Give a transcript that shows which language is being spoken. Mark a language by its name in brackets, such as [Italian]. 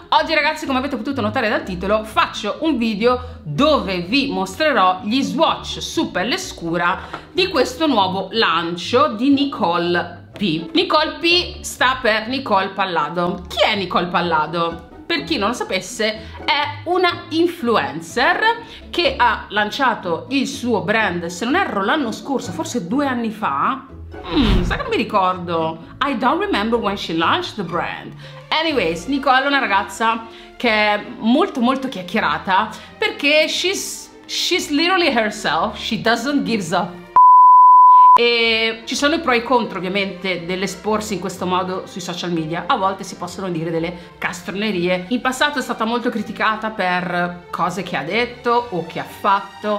[Italian] Oggi ragazzi, come avete potuto notare dal titolo, faccio un video dove vi mostrerò gli swatch su pelle scura di questo nuovo lancio di Nicole P. Nicole P sta per Nicole Pallado. Chi è Nicole Pallado? Per chi non lo sapesse, è una influencer che ha lanciato il suo brand, se non erro l'anno scorso, forse 2 anni fa. Sa che non mi ricordo. [English] I don't remember when she launched the brand. [Italian] Anyways, Nicole è una ragazza che è molto molto chiacchierata, perché [English] she's literally herself, she doesn't give a f***. [Italian] E ci sono i pro e i contro ovviamente dell'esporsi in questo modo sui social media. A volte si possono dire delle castronerie. In passato è stata molto criticata per cose che ha detto o che ha fatto.